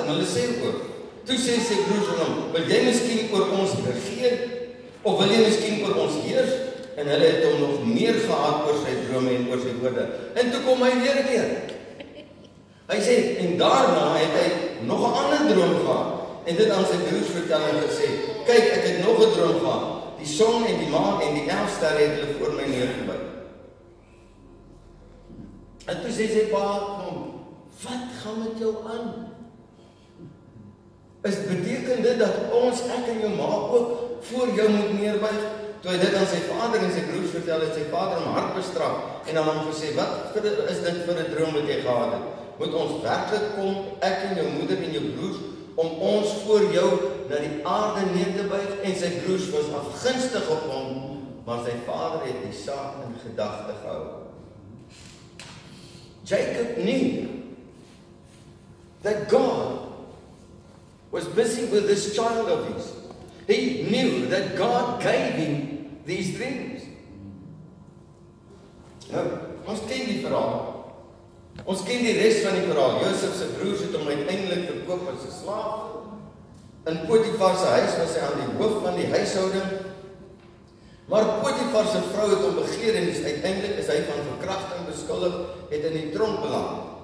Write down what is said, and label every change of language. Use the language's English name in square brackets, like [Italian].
[Afrikaans] En hulle sê ook, toe sê sy broers van hom, wil jy miskien oor ons regeer, of wil jy miskien oor ons heers, en hulle het hom nog meer gehad oor sy drome en oor sy woorde, en toe kom hy weer. Hy sê, en daarna het hy nog een ander droom gehad en dit aan sy broers vertel en gesê, kyk, ek het nog 'n droom gehad. Die son en die maan en die 11 sterre het hulle voor my neergebuig. En toe sê sy pa, kom, wat gaan met jou aan? Is beteken dit dat ons, ek en jou ma ook, voor jou moet neerbuig? Toe hy dit aan sy vader en sy broers vertel, het sy vader hom hard bestraf en aan hom gesê, wat is dit vir 'n droom wat jy gehad het? Moet ons werklik kom, ek en jou moeder en jou broers, om ons voor jou na die aarde neer te buig? En sy broers was afgunstig op hom, maar sy vader het die saak in gedagte gehou. [English] Jacob knew that God was busy with this child of his. He knew that God gave him these dreams. [Afrikaans] Nou, ons ken die verhaal. Ons ken die rest van die verhaal. Josef se broers het hom uiteindelik verkoop as 'n slaaf. In Potifar se huis was hy aan die hoof van die huishouding. Maar Potifar se vrou het hom begeer en uiteindelik is hy van verkrachting beskuldig, het in die tronk beland.